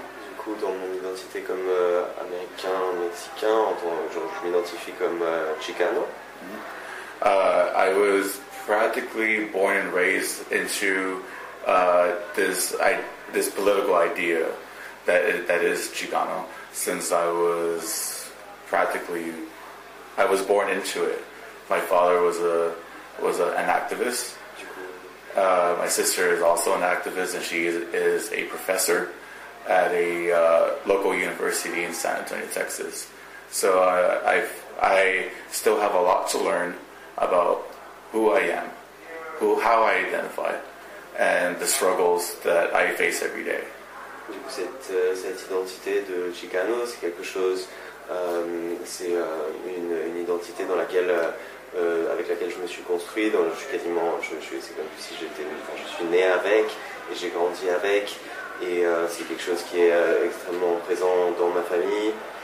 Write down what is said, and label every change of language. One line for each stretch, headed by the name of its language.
French: Du coup, dans mon identité comme américain, mexicain, je m'identifie comme Chicano.
English: I was practically born and raised into this political idea that is Chicano since I was practically, I was born into it. My father was an activist. My sister is also an activist, and she is a professor at a local university in San Antonio, Texas. So I still have a lot to learn about who I am, how I identify, and the struggles that I face every day.
French: Du coup, cette identité de Chicano, c'est quelque chose, c'est une identité dans laquelle, avec laquelle je me suis construit. Donc, c'est comme si j'étais, enfin, je suis né avec et j'ai grandi avec. Et c'est quelque chose qui est extrêmement présent dans ma famille.